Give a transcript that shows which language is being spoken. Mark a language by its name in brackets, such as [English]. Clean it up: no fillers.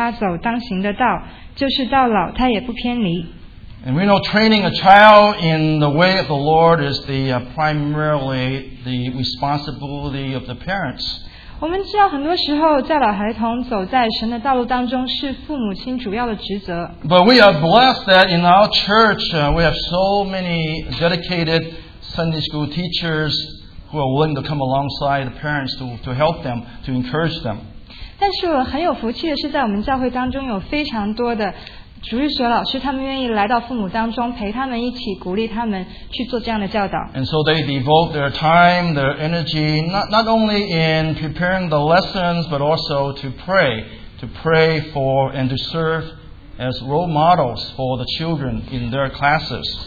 [Chinese] 在箴言书的22章6节里面说到，教养孩童，使他走当行的道，就是到老他也不偏离。 [English] And we know training a child in the way of the Lord is the primarily the responsibility of the parents. [Chinese] 我们知道很多时候教导孩童走在神的道路当中是父母亲主要的职责。 [English] But we are blessed that in our church we have so many dedicated Sunday school teachers who are willing to come alongside the parents to help them, to encourage them. [Chinese] 但是很有福气的是在我们教会当中有非常多的 主日学老师他们愿意来到父母当中，陪他们一起鼓励他们去做这样的教导。And [English] so they devote their time, their energy, not only in preparing the lessons, but also to pray for and to serve as role models for the children in their classes.